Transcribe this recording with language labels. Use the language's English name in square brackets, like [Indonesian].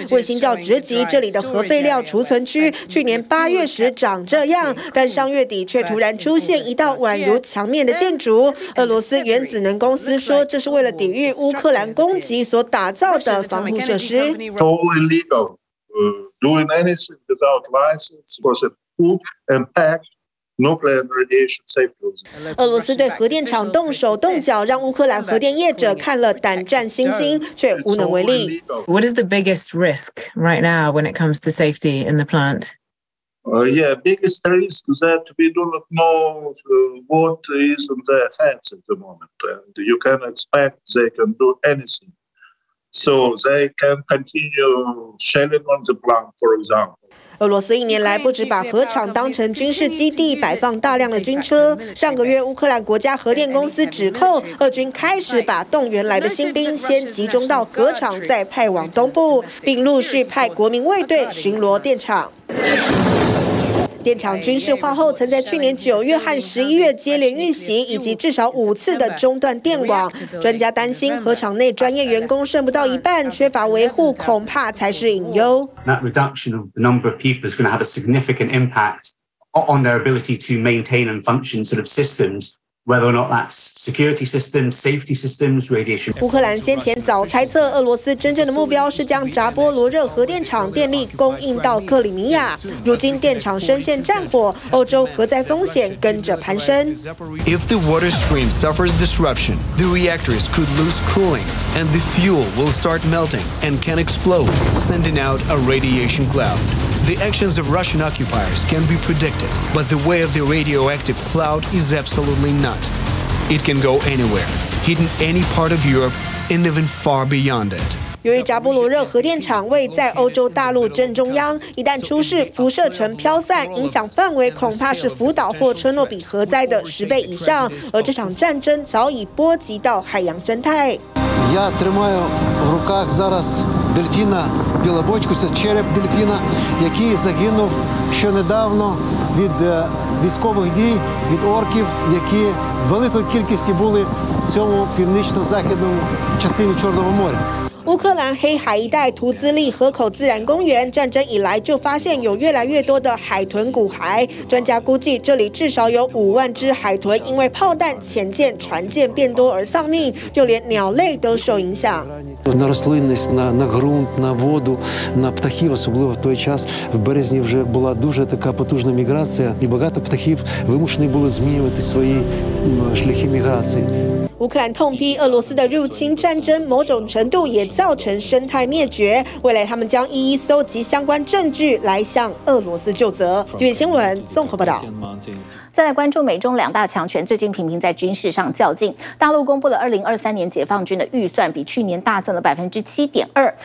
[Chinese] 卫星照直击这里的核废料储存区，去年八月时长这样，但上月底却突然出现一道宛如墙面的建筑。俄罗斯原子能公司说，这是为了抵御乌克兰攻击所打造的防护设施。 [English] Doing anything without license was a hook and pack. Nuclear radiation safety. [Chinese] 俄罗斯对核电厂动手动脚，让乌克兰核电业者看了胆战心惊，却无能为力。 [English] What is the biggest risk right now when it comes to safety in the plant? Biggest risk is that we do not know what is in their hands at the moment, and you can expect they can do anything. So they can continue shelling on the plant, for example. [Chinese] 俄罗斯一年来不止把核厂当成军事基地，摆放大量的军车。上个月，乌克兰国家核电公司指控俄军开始把动员来的新兵先集中到核厂，再派往东部，并陆续派国民卫队巡逻电厂。电厂军事化后，曾在去年九月和十一月接连运行，以及至少五次的中断电网。专家担心，核厂内专业员工剩不到一半，缺乏维护，恐怕才是隐忧。 [English] That reduction of the number of people is going to have a significant impact on their ability to maintain and function sort of systems. Whether or not that's security systems, safety systems, radiation. [Chinese] 乌克兰先前早猜测，俄罗斯真正的目标是将扎波罗热核电厂电力供应到克里米亚。如今电厂深陷战火，欧洲核灾风险跟着攀升。 [English] If the water stream suffers disruption, the reactors could lose cooling, and the fuel will start melting and can explode, sending out a radiation cloud. The actions of Russian occupiers can be predicted, but the way of the radioactive cloud is absolutely not. It can go anywhere, hidden any part of Europe, and even far beyond it. [Chinese] 由于扎波罗热核电厂位在欧洲大陆正中央，一旦出事，辐射层飘散，影响范围恐怕是福岛或车诺比核灾的十倍以上。而这场战争早已波及到海洋生态。 [Ukrainian] Я тримаю в руках зараз дельфіна білобочку, це череп дельфіна, який загинув ще недавно від військових дій, від орків, які в великій кількості були в цьому північно-західному частині Чорного моря。 [Chinese] 乌克兰黑海一带图兹利河口自然公园，战争以来就发现有越来越多的海豚骨骸。专家估计，这里至少有五万只海豚因为炮弹、潜舰、船舰变多而丧命，就连鸟类都受影响。 [Ukrainian] На рослинність, на ґрунт, на воду, на птахів, особливо в той час в березні вже була дуже така потужна міграція, і багато птахів вимушені були змінювати свої шляхи міграції. [Chinese] 乌克兰痛批俄罗斯的入侵战争，某种程度也造成生态灭绝。未来他们将一一搜集相关证据，来向俄罗斯就责。据新闻综合报道。再来关注美中两大强权最近频频在军事上较劲。大陆公布了2023年解放军的预算，比去年大增了7.2%。